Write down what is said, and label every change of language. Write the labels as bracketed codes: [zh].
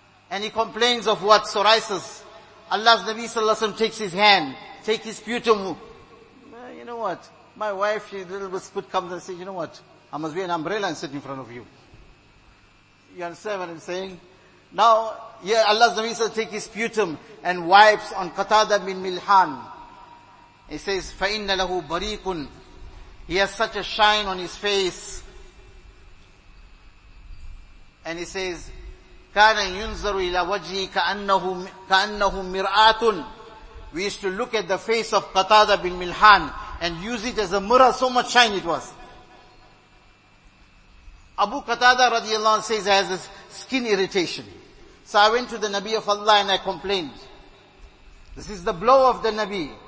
[en] And he complains of what? Psoriasis. Allah's Nabi sallallahu alayhi wasallam takes his hand. Take his sputum. You know what? My wife, she little bit sput comes and says, you know what? I must wear an umbrella and sit in front of you. You understand what I'm saying? Now, yeah, Allah's Nabi sallallahu alayhi wasallam takes his sputum and wipes on Qatada bin Milhan. [ar] He says, فَإِنَّ لَهُ بَرِيقٌ. [en] He has such a shine on his face. [ar] And he says, كَانَ يُنْزَرُ إِلَى وَجْهِ كَأَنَّهُ مِرْآتٌ. [en] We used to look at the face of Qatada bin Milhan and use it as a mirror, so much shine it was. Abu Qatada radiallahu anhu says, I have this skin irritation. So I went to the Nabi of Allah and I complained. This is the blow of the Nabi.